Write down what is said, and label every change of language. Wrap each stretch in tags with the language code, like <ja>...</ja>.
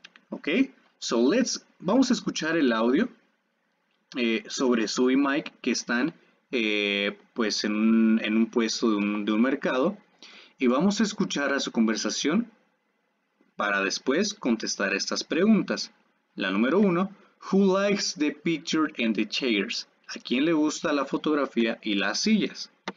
<es>Okay, so vamos a escuchar el audio sobre Sue y Mike que están pues en un puesto de un mercado y vamos a escuchar a su conversación para después contestar estas preguntas. La número 1,</es> <en>who likes the picture and the chairs?</en> <es>¿A quién le gusta la fotografía y las sillas?</es>